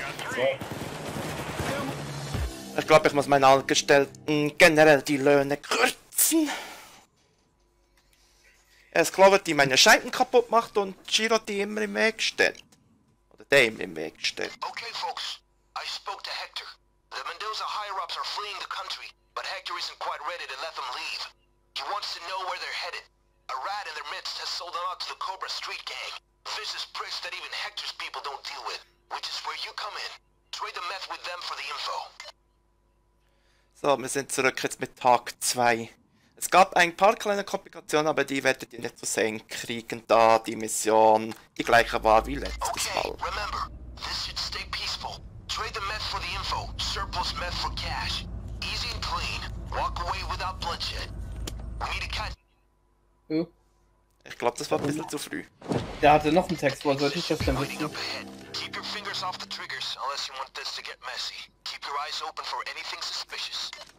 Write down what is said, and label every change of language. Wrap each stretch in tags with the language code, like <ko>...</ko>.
<de>So. Ich glaube, ich muss meine Angestellten generell die Löhne kürzen. Er ist Clover, die meine Scheiben kaputt macht und Giro, die immer im Weg steht. Oder der immer im Weg steht.</de> <en>Okay, Folks. I spoke to Hector. The Mendoza higher-ups are fleeing the country, but Hector isn't quite ready to let them leave. He wants to know where they're headed. A rat in their midst has sold them out to the Cobra Street Gang. Vicious pricks that even Hector's people don't deal with, which is where you come in. Trade the meth with them for the info.</en> <de>So, wir sind zurück jetzt mit Tag 2. Es gab ein paar kleine Komplikationen, aber die werdet ihr nicht zu sehen kriegen, da die Mission die gleiche war wie letztes Mal.</de> <en>Okay, remember, this should stay peaceful. Trade the meth for the info. Surplus meth for cash. Easy and clean. Walk away without bloodshed. We need a cut.</en> <de>Ich glaube, das war ein bisschen zu früh. Der hatte noch einen Text, wo sollte ich das denn wissen?</de> <en>Keep your fingers off the triggers, unless you want this to get messy. Keep your eyes open for anything suspicious.</en>